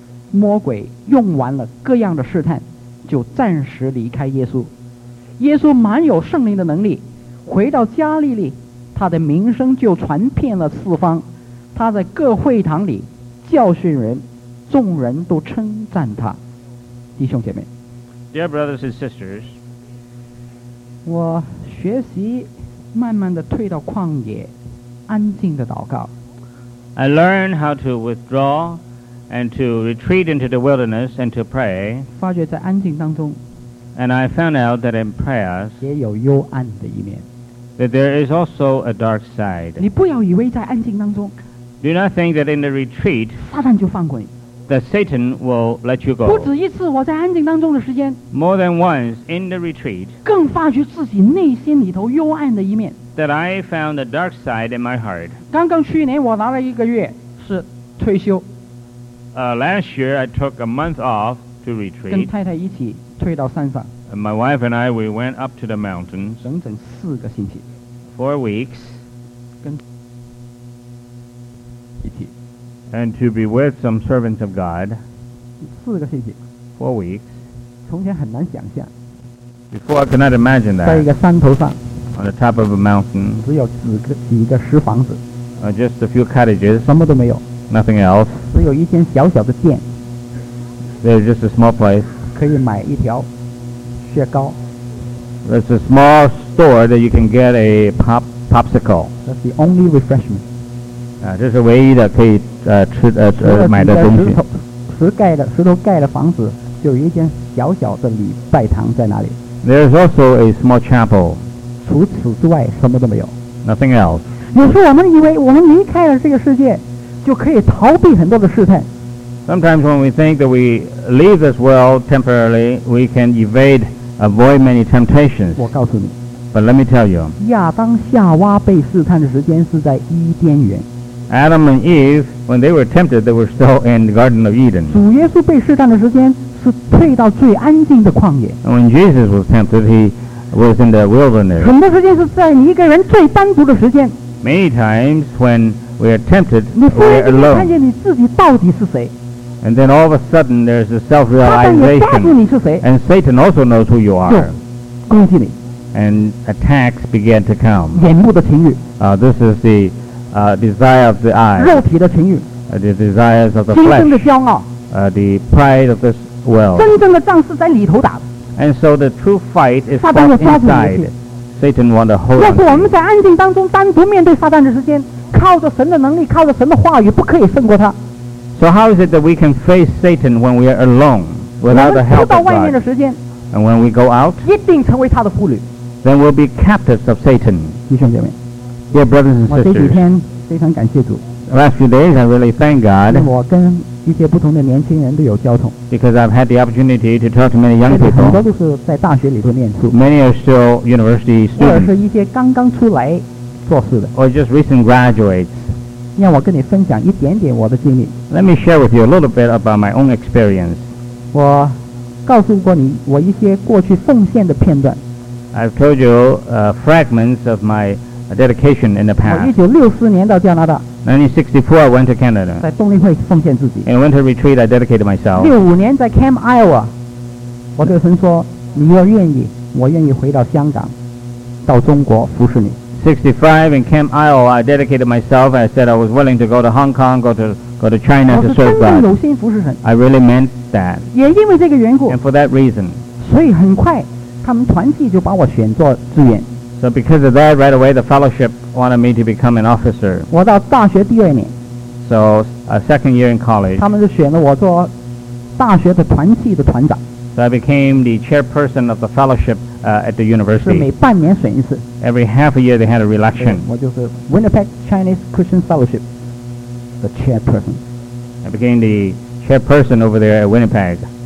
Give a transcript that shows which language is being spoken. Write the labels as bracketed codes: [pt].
[zh] 魔鬼用完了各样的试探就暂时离开耶稣耶稣满有圣灵的能力回到加利利他的名声就传遍了四方他在各会堂里教训人众人都称赞他弟兄姐妹 [en] Dear brothers and sisters [zh] 我学习慢慢地退到旷野安静地祷告 [en] I learn how to withdraw and to retreat into the wilderness and to pray [zh] 发觉在安静当中 [en] and I found out that in prayers [zh] 也有幽暗的一面 [en] that there is also a dark side [zh] 你不要以为在安静当中 [en] do not think that in the retreat [zh] 撒旦就放过你 [en] That Satan will let you go. [zh] 不止一次，我在安静当中的时间。 [en] More than once in the retreat. [zh] 更发觉自己内心里头幽暗的一面。 [en] That I found a dark side in my heart. [zh] 刚刚去年我拿了一个月是退休。 [en] Last year I took a month off to retreat. [zh] 跟太太一起退到山上。 [en] And my wife and I we went up to the mountains. [zh] 整整四个星期。 [en] Four weeks. [zh] 跟 [en] And to be with some servants of God. [zh] 四个星期。 [en] 4 weeks. [zh] 从前很难想象。 [en] Before I could not imagine that. [zh] 在一个山头上。 [en] On the top of a mountain. [zh] 只有几个石房子。 [en] Just a few cottages. [zh] 什么都没有。 [en] Nothing else. [zh] 只有一间小小的店。 [en] There's just a small place. [zh] 可以买一条雪糕。 [en] There's a small store that you can get a popsicle. That's the only refreshment. [zh] 这是唯一的可以吃的买的东西。石头盖的房子就有一间小小的礼拜堂在那里。 [en] There's also a small chapel. [zh] 除此之外什么都没有。 [en] Nothing else. [zh] 有时我们以为我们离开了这个世界就可以逃避很多的试探。 [en] Sometimes when we think that we leave this world temporarily, we can evade, avoid many temptations. [zh] 我告诉你。 [en] But let me tell you. [zh] 亚当夏娃被试探的时间是在伊甸园。 [en] Adam and Eve, when they were tempted, they were still in the Garden of Eden. [zh] 主耶稣被试探的时间是退到最安静的旷野。 [en] And when Jesus was tempted, he was in the wilderness. [zh] 很多时间是在你一个人最单独的时间。 [en] Many times when we are tempted, we are alone. [zh] 你忽然间看见你自己到底是谁。 [en] And then all of a sudden, there's a self-realization. [zh] 撒旦也抓住你是谁。 [en] And Satan also knows who you are. [zh] 攻击你。 [en] And attacks began to come. [zh] 眼目的情欲。 [en] This is the desire of the eye. [zh] 肉体的情欲。 [en] The desires of the flesh. [zh] 精神的骄傲。 [en] The pride of this world. [zh] 真正的仗是在里头打的。 [en] And so the true fight is fought inside. Satan wants to hold on. [zh] 要是我们在安静当中单独面对撒旦的时间，靠着神的能力，靠着神的话语，不可以胜过他。 [en] So how is it that we can face Satan when we are alone, without the help of God? [zh] 我们出到外面的时间。 [en] And when we go out, [zh] 一定成为他的俘虏。 [en] Then we'll be captives of Satan. [zh] 弟兄姐妹。 [en] Dear brothers and sisters, [zh] 我这几天非常感谢主。 [en] The last few days, I really thank God. [zh] 我跟一些不同的年轻人都有交通。 [en] Because I've had the opportunity to talk to many young people. [zh] 很多都是在大学里头念书。 [en] Many are still university students. [zh] 或者是一些刚刚出来做事的。 [en] Or just recent graduates. [zh] 让我跟你分享一点点我的经历。 [en] Let me share with you a little bit about my own experience. [zh] 我告诉过你我一些过去奉献的片段。 [en] I've told you fragments of my dedication in the past. [zh] 1964年到加拿大。 [en] 1964, I went to Canada. [zh] 在动力会奉献自己。 [en] In winter retreat, I dedicated myself. [zh] 65年在 Camp Iowa, 我对神说，你要愿意，我愿意回到香港，到中国服侍你。 [en] 65 in Camp Iowa, I dedicated myself. I said I was willing to go to Hong Kong, go to China to serve God. [zh] 我是真正有心服侍神。 [en] I really meant that. [zh] 也因为这个缘故。 [en] And for that reason. [zh] 所以很快。他们团契就把我选做志愿。 [en] So because of that, right away the fellowship wanted me to become an officer. [zh] 我到大学第二年。 [en] So a second year in college. [zh] 他们就选了我做大学的团契的团长。 [en] So I became the chairperson of the fellowship at the university. [zh] 是每半年选一次。 [en] Every half a year they had a re-election. [zh] 我就是 [en] Winnipeg Chinese Christian Fellowship, the chairperson. I became the chairperson over there at Winnipeg.